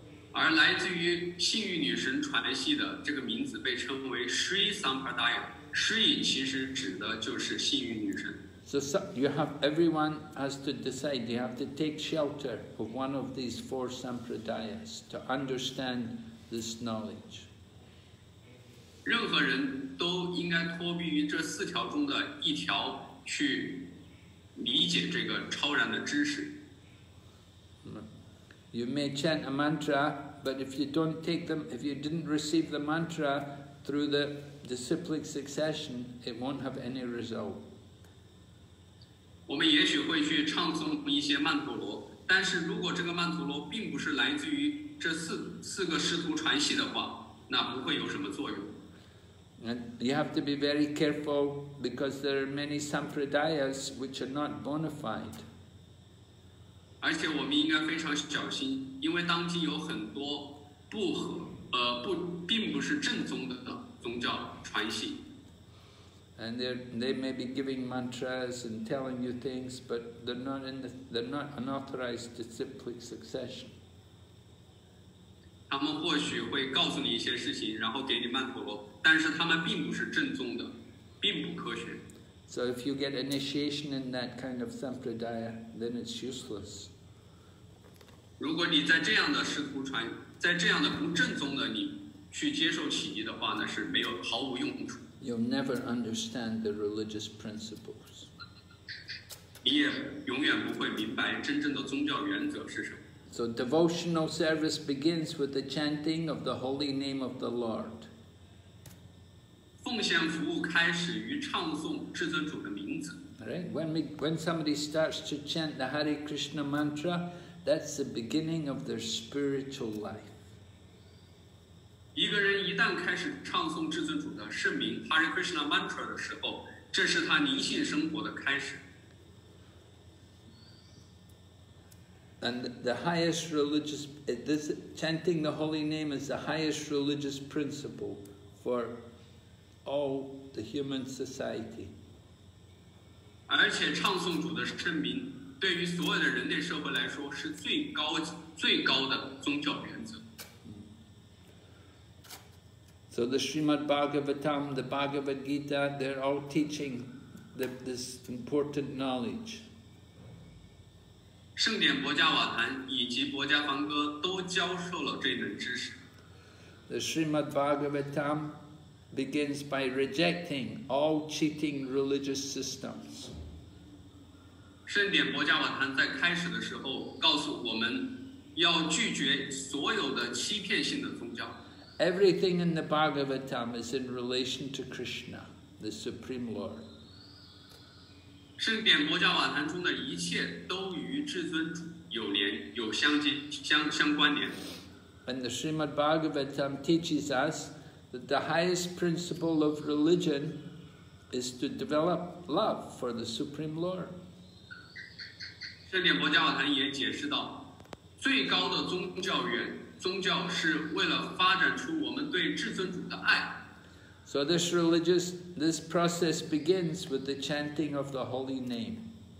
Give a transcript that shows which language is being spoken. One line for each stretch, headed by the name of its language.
Chinese: 而来自于幸运女神传系的这个名字被称为 Shri Sampradaya. Shri 其实指的就是幸运女神。
English: So you have, everyone has to decide, you have to take shelter of one of these four Sampradayas to understand this knowledge.
Chinese: 任何人都应该托庇于这四条中的一条去理解这个超然的知识。
English: You may chant a mantra, but if you don't take them, if you didn't receive the mantra through the disciplic succession, it won't have any result.
Chinese: 我们也许会去唱诵一些曼陀罗，但是如果这个曼陀罗并不是来自于这四个师徒传系的话，那不会有什么作用。
English: And you have to be very careful because there are many sampradayas which are not bona fide.
Chinese: 而且我们应该非常小心，因为当今有很多并不是正宗的宗教传系。
English: And they may be giving mantras and telling you things, but they're not unauthorized disciplic succession.
Chinese: 他们或许会告诉你一些事情，然后给你曼陀罗，但是他们并不是正宗的，并不科学。
English: So if you get initiation in that kind of sampradaya, then it's useless.
Chinese: 如果你在这样的师徒传，在这样的不正宗的你去接受启迪的话，那是没有毫无用处。
English: You'll never understand the religious principles.
Chinese: 你也永远不会明白真正的宗教原则是什么。
English: So devotional service begins with the chanting of the holy name of the Lord.
Chinese: 奉献服务开始于唱诵至尊主的名字。
English: Right? When somebody starts to chant the Hare Krishna mantra, that's the beginning of their spiritual life.
Chinese: 一个人一旦开始唱诵至尊主的圣名 Hare Krishna mantra 的时候，这是他灵性生活的开始。
English: And the highest religious, this chanting the holy name is the highest religious principle for all the human society.
Chinese: 而且唱诵主的圣名对于所有的人类社会来说是最高的宗教原则。
English: So the Srimad Bhagavatam, the Bhagavad Gita, they're all teaching this important knowledge.
Chinese: 圣典博迦瓦坛以及博迦梵歌都教授了这门知识。
English: The Srimad Bhagavatam begins by rejecting all cheating religious systems.
Chinese: 圣典博迦瓦坛在开始的时候告诉我们要拒绝所有的欺骗性的宗教。
English: Everything in the Bhagavatam is in relation to Krishna, the Supreme Lord.
Chinese: 圣典博迦瓦坛中的一切都与至尊主有连有相关联。
English: And the Srimad Bhagavatam teaches us that the highest principle of religion is to develop love for the Supreme Lord.
Chinese: 圣典博迦瓦坛也解释到，最高的宗教是为了发展出我们对至尊主的爱。
English: So this process begins with the chanting of the holy name.